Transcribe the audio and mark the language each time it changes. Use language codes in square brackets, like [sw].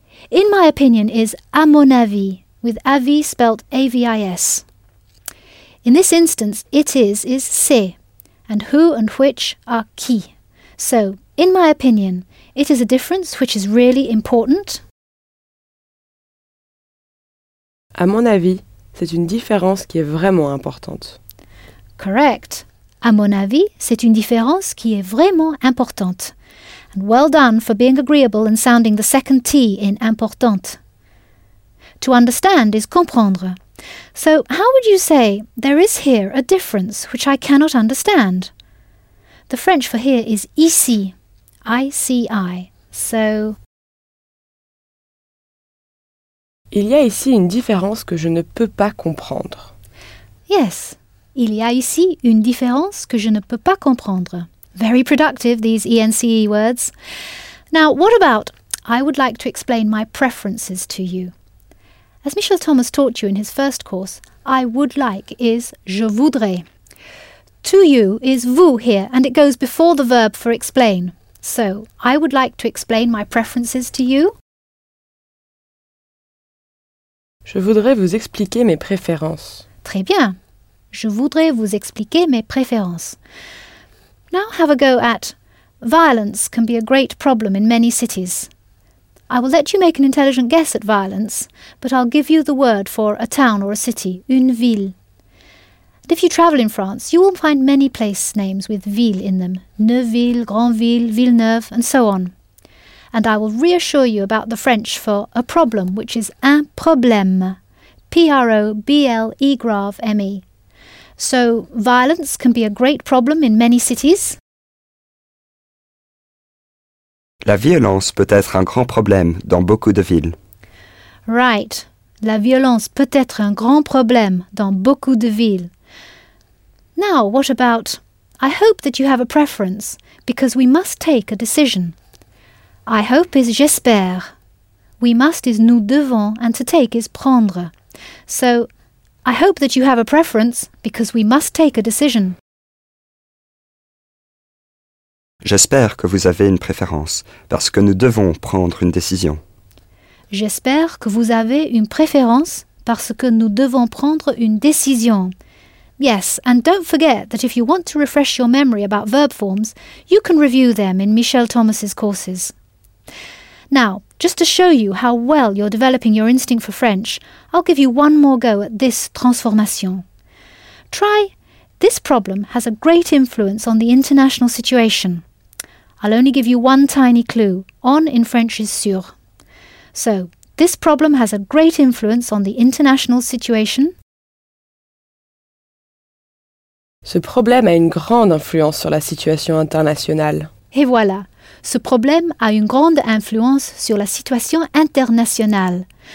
[en] In my opinion is [fr] à mon avis, [en] with avis spelt A-V-I-S. In this instance, it is c'est, and who and which are qui. So, in my opinion, it is a difference which is really important. [fr] À mon avis, c'est une différence qui est vraiment importante. [en] Correct. [fr] À mon avis, c'est une différence qui est vraiment importante. [en] Well done for being agreeable and sounding the second T in importante. To understand is comprendre. So, how would you say, there is here a difference which I cannot understand? The French for here is ici, I-C-I. So, [fr] il y a ici une différence que je ne peux pas comprendre. [en] Yes, [fr] il y a ici une différence que je ne peux pas comprendre. [en] Very productive, these ence words. Now, what about, I would like to explain my preferences to you. As Michel Thomas taught you in his first course, I would like is [fr] je voudrais. [en] To you is vous here, and it goes before the verb for explain. So, I would like to explain my preferences to you. [fr] Je voudrais vous expliquer mes préférences. Très bien. Je voudrais vous expliquer mes préférences. [en] Now have a go at violence can be a great problem in many cities. I will let you make an intelligent guess at violence, but I'll give you the word for a town or a city, [fr] une ville. [en] And if you travel in France, you will find many place names with ville in them, Neuville, Grandville, Villeneuve, and so on. And I will reassure you about the French for a problem, which is [fr] un problème, [en] P-R-O-B-L-E-G-R-A-V-M-E. So, violence can be a great problem in many cities. [fr] La violence peut être un grand problème dans beaucoup de villes. [en] Right. [fr] La violence peut être un grand problème dans beaucoup de villes. [en] Now, what about... I hope that you have a preference, because we must take a decision. I hope is j'espère. We must is [fr] nous devons, [en] and to take is prendre. So, I hope that you have a preference, because we must take a decision. [fr] J'espère que vous avez une préférence, parce que nous devons prendre une décision. J'espère que vous avez une préférence, parce que nous devons prendre une décision. [en] Yes, and don't forget that if you want to refresh your memory about verb forms, you can review them in Michel Thomas's courses. Now, just to show you how well you're developing your instinct for French, I'll give you one more go at this transformation. Try, this problem has a great influence on the international situation. I'll only give you one tiny clue. On in French is sur. So, this problem has a great influence on the international situation. [fr] Ce problème a une grande influence sur la situation internationale. Et voilà. Ce problème a une grande influence sur la situation internationale.